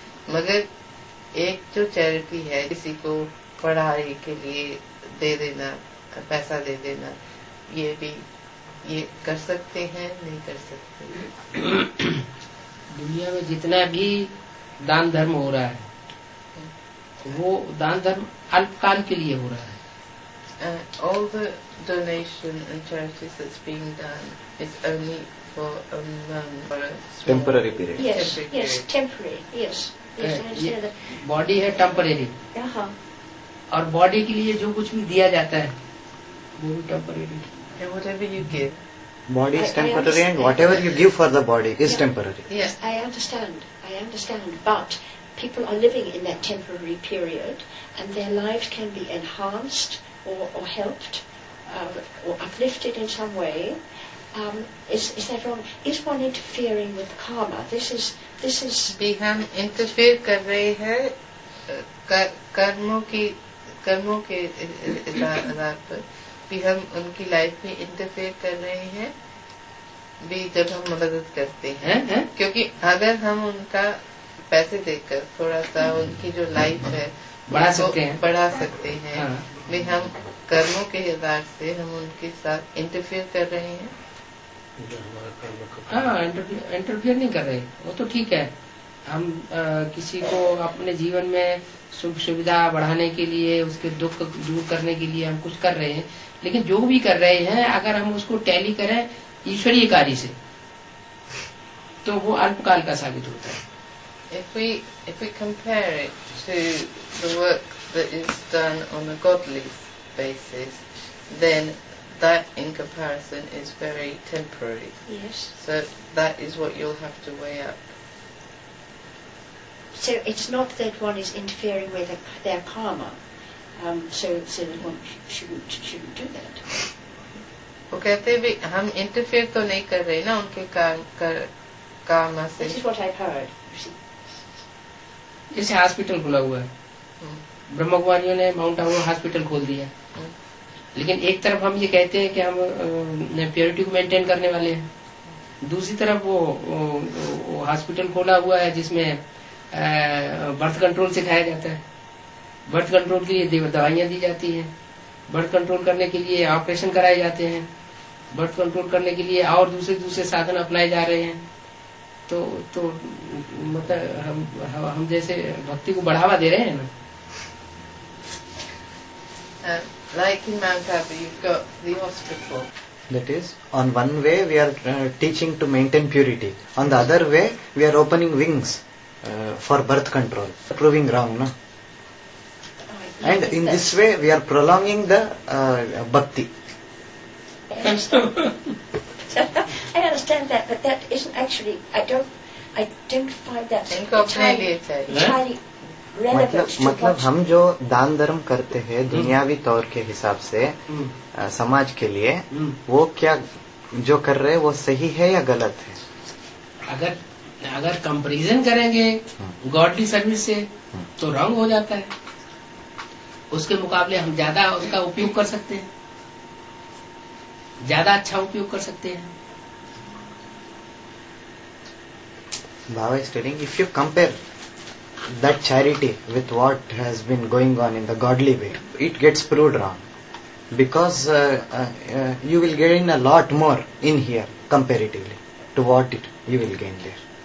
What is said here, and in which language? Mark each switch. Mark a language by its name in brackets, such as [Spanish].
[Hindi] मगर एक जो चैरिटी है किसी को पढ़ाई के लिए दे देना, पैसा दे देना, ये भी ये कर सकते हैं नहीं कर सकते? दुनिया में जितना भी दान धर्म हो रहा है वो दान धर्म अल्पकाल के लिए हो रहा है. [English] All the donation and charities that's being done is only for a month, for a temporary period. Yes, temporary. Yes. [Hindi] Body है temporary. हाँ. और body के लिए जो कुछ भी दिया जाता है वो भी temporary. [English] And whatever you give. Body is temporary, and whatever you give for the body is temporary. Yes, I understand. I understand, but people are living in that temporary period, and their lives can be enhanced. Or helped, or uplifted in some way. Is that wrong? Is one interfering with karma? This is. [Hindi] We हम interfere कर रहे हैं कर्मों के आधार पर. We हम उनकी life में interfere कर रहे हैं. We जब हम मदद करते हैं, क्योंकि अगर हम उनका पैसे देकर थोड़ा सा उनकी जो life है बढ़ा सकते हैं. भी हम कर्मों के आधार से हम उनके साथ इंटरफेयर कर रहे हैं. हाँ, इंटरफेयर नहीं कर रहे, वो तो ठीक है. हम किसी को अपने जीवन में सुख सुविधा बढ़ाने के लिए, उसके दुख दूर करने के लिए हम कुछ कर रहे हैं, लेकिन जो भी कर रहे हैं अगर हम उसको टैली करें ईश्वरीय कार्य से तो वो अल्पकाल का साबित होता है. [English] If we compare it to the work that is done on a godly basis, then that in comparison is very temporary. Yes. So that is what you'll have to weigh up. So it's not that one is interfering with their karma, so that one shouldn't do that. [Hindi] वो कहते हैं भी हम interfere तो नहीं कर रहे ना उनके karma से. [English] This is what I've heard. [Hindi] जैसे हॉस्पिटल खुला हुआ है, ब्रह्म कुमारियों ने माउंट आबू हॉस्पिटल खोल दिया, लेकिन एक तरफ हम ये कहते हैं कि हम प्योरिटी को मेंटेन करने वाले हैं, दूसरी तरफ वो हॉस्पिटल खोला हुआ है जिसमें बर्थ कंट्रोल सिखाया जाता है, बर्थ कंट्रोल के लिए दवाइयां दी जाती हैं, बर्थ कंट्रोल करने के लिए ऑपरेशन कराए जाते हैं, बर्थ कंट्रोल करने के लिए और दूसरे साधन अपनाए जा रहे हैं. तो मतलब हम जैसे भक्ति को बढ़ावा दे रहे हैं ना. [English] Like in Mount Abu, you've got the hospital. That is, on one way we are teaching to maintain purity. On the other way, we are opening wings for birth control, proving wrong, no? And in this way, we are prolonging the bhakti. I understand that, but that isn't actually, I don't find that entirely relevant. [Hindi] मतलब हम जो दान धर्म करते हैं दुनियावी तौर के हिसाब से समाज के लिए वो क्या जो कर रहे हैं वो सही है या गलत है अगर अगर कंपैरिजन करेंगे गॉडली सर्विस से तो रॉन्ग हो जाता है उसके मुकाबले हम ज्यादा उसका उपयोग कर सकते हैं ज्यादा अच्छा उपयोग कर सकते हैं [English] Baba is telling, if you compare that charity with what has been going on in the godly way, it gets proved wrong. Because you will gain a lot more in here, comparatively, to what it, you will gain there.